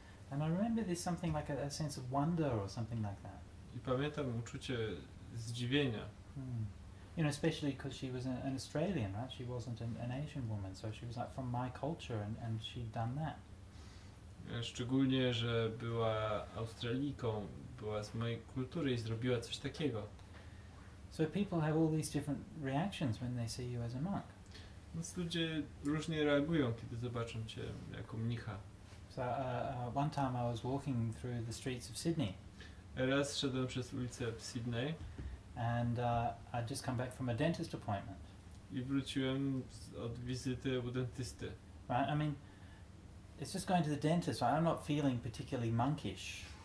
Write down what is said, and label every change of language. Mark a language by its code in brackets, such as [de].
[en] And I remember this something like a sense of wonder or something like that. [pl] I pamiętam uczucie zdziwienia. [en] You know, especially because she was an Australian, right? She wasn't an Asian woman, so she was like from my culture, and she'd done that. [pl] Szczególnie, że była Australijką, była z mojej kultury i zrobiła coś takiego. [en] So people have all these different reactions when they see you as a monk. [pl] Więc ludzie różnie reagują, kiedy zobaczą cię jako mnicha. [en] So one time I was walking through the streets of Sydney. [pl] Raz szedłem przez ulicę w Sydney. [en] And I'd just come back from a dentist appointment. [pl] I wróciłem od wizyty u dentysty. [en] Right, I mean, it's just going to the dentist, right? I'm not feeling particularly monkish.